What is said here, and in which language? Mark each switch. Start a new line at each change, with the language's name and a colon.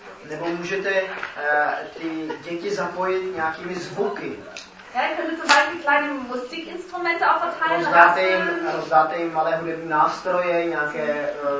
Czech: Nebo můžete ty děti zapojit nějakými zvuky.
German: Ja, ihr könnt zum Beispiel kleine Musikinstrumente auch verteilen.
Czech: Rozdáte jim malé hudební nástroje, nějaké...